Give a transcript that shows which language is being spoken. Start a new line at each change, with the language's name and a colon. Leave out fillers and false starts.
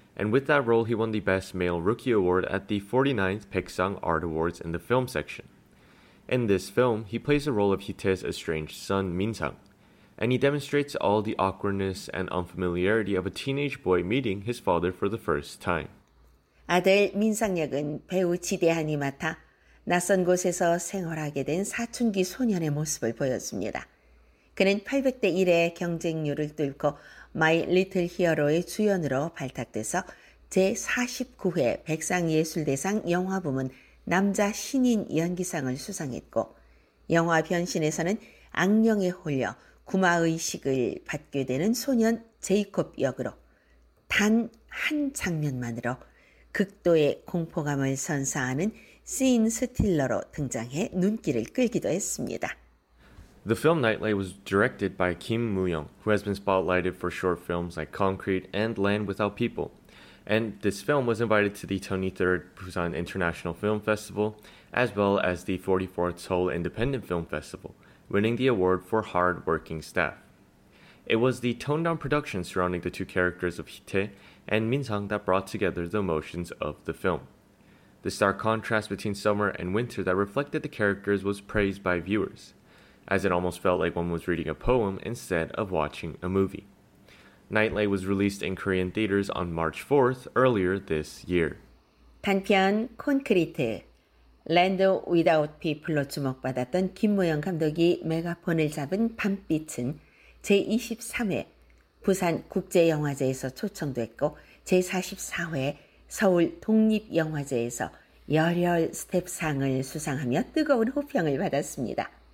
English: And with that role, he won the Best Male Rookie Award at the 49th Paeksang Art Awards in the film section. In this film, he plays the role of Hite's estranged son, Minsang. And he demonstrates all the awkwardness and unfamiliarity of a teenage boy meeting his father for the first time.
Korean: 아들 민상 역은 배우 지대한이 맡아 낯선 곳에서 생활하게 된 사춘기 소년의 모습을 보여줍니다. 그는 800대 1의 경쟁률을 뚫고 My Little Hero의 주연으로 발탁돼서 제49회 백상예술대상 영화 부문 남자 신인 연기상을 수상했고 영화 변신에서는 악령에 홀려 구마의식을 받게 되는 소년 제이콥 역으로 단 한 장면만으로 극도의 공포감을 선사하는 씬 스틸러로 등장해 눈길을 끌기도 했습니다.
English: The film Nightlight was directed by Kim Mu-young, who has been spotlighted for short films like Concrete and Land Without People. And this film was invited to the 23rd Busan International Film Festival, as well as the 44th Seoul Independent Film Festival, winning the award for hard-working staff. It was the toned-down production surrounding the two characters of Hite and Minsang that brought together the emotions of the film. The stark contrast between summer and winter that reflected the characters was praised by viewers, as it almost felt like one was reading a poem instead of watching a movie. Nightlight was released in Korean theaters on March 4th, earlier this year.
Korean: 단편 콘크리트 Land Without People로 주목받았던 김무영 감독이 메가폰을 잡은 밤빛은 제23회 부산국제영화제에서 초청됐고 제44회 서울독립영화제에서 열혈 스텝상을 수상하며 뜨거운 호평을 받았습니다.